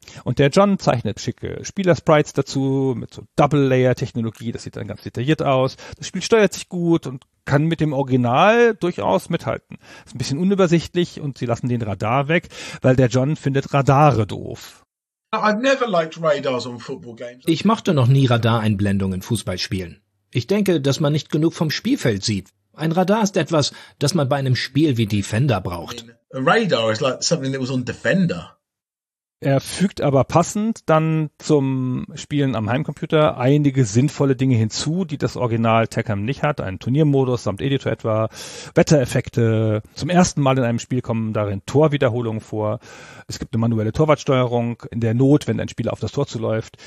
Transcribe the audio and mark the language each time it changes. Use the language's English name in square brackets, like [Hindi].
[German] Und der John zeichnet schicke Spielersprites dazu mit so Double-Layer-Technologie. Das sieht dann ganz detailliert aus. Das Spiel steuert sich gut und kann mit dem Original durchaus mithalten. Ist ein bisschen unübersichtlich und sie lassen den Radar weg, weil der John findet Radare doof. [English] I've never liked radars on football games. [German] Ich machte noch nie Radareinblendungen in Fußballspielen. Ich denke, dass man nicht genug vom Spielfeld sieht. Ein Radar ist etwas, das man bei einem Spiel wie Defender braucht. [English] A radar is like something that was on Defender. [German] Er fügt aber passend dann zum Spielen am Heimcomputer einige sinnvolle Dinge hinzu, die das Original Tekken nicht hat. Ein Turniermodus samt Editor etwa, Wettereffekte. Zum ersten Mal in einem Spiel kommen darin Torwiederholungen vor. Es gibt eine manuelle Torwartsteuerung in der Not, wenn ein Spieler auf das Tor zuläuft.